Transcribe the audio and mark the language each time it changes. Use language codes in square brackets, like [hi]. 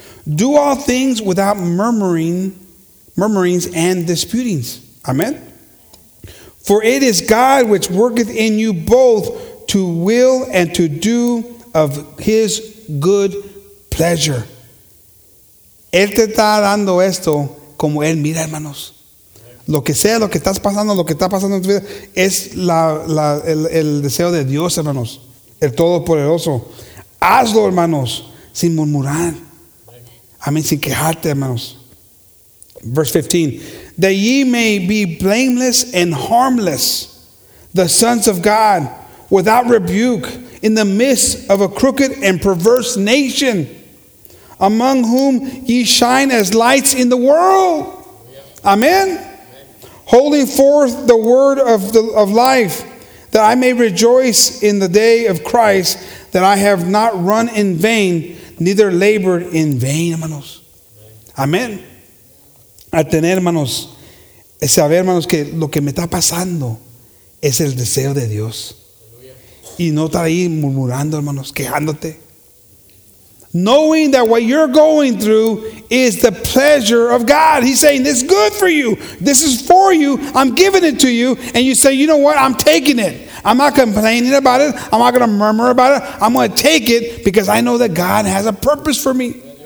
[en] Do all things without murmurings and disputings. Amen. For it is God which worketh in you both to will and to do of his good pleasure. [es] Él te está dando esto como él mira, hermanos. Lo que sea, lo que estás pasando, lo que está pasando en tu vida, es el deseo de Dios, hermanos. El Todopoderoso. Hazlo, hermanos, sin murmurar. Amén, sin quejarte, hermanos. [en] Verse 15. That ye may be blameless and harmless, the sons of God, without rebuke, in the midst of a crooked and perverse nation, among whom ye shine as lights in the world. Amen. Holding forth the word of life, that I may rejoice in the day of Christ, that I have not run in vain, neither labored in vain, hermanos. Amén. [es] A tener, hermanos, es saber, hermanos, que lo que me está pasando es el deseo de Dios. Y no estar ahí murmurando, hermanos, quejándote. [en] Knowing that what you're going through is the pleasure of God. He's saying, this is good for you. This is for you. I'm giving it to you. And you say, you know what? I'm taking it. I'm not complaining about it. I'm not going to murmur about it. I'm going to take it because I know that God has a purpose for me.